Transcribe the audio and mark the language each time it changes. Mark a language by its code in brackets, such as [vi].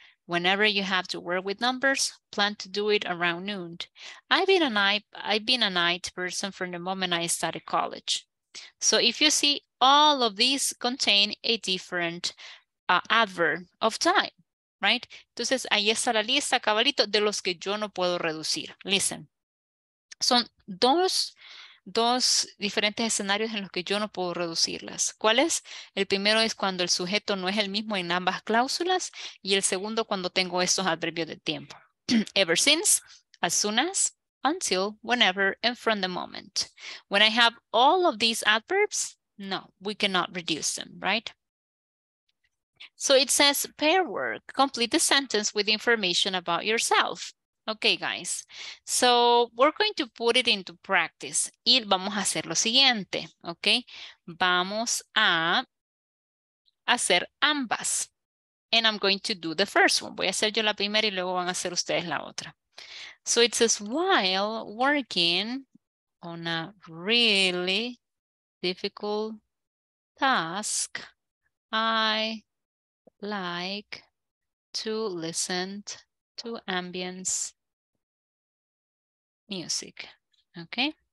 [en] Whenever you have to work with numbers, plan to do it around noon. I've been a night person from the moment I started college. So if you see, all of these contain a different adverb of time, right? [es] Entonces, ahí está la lista, cabalito, de los que yo no puedo reducir. Listen, son dos diferentes escenarios en los que yo no puedo reducirlas. ¿Cuál es? El primero es cuando el sujeto no es el mismo en ambas cláusulas y el segundo cuando tengo estos adverbios de tiempo. [en] Ever since, as soon as, until, whenever, and from the moment. When I have all of these adverbs, no, we cannot reduce them, right? So it says pair work. Complete the sentence with information about yourself. Okay, guys, so we're going to put it into practice. [es] Y vamos a hacer lo siguiente, okay? Vamos a hacer ambas. [en] And I'm going to do the first one. [es] Voy a hacer yo la primera y luego van a hacer ustedes la otra. [en] So it says, while working on a really difficult task, I like to listen to ambience music, okay?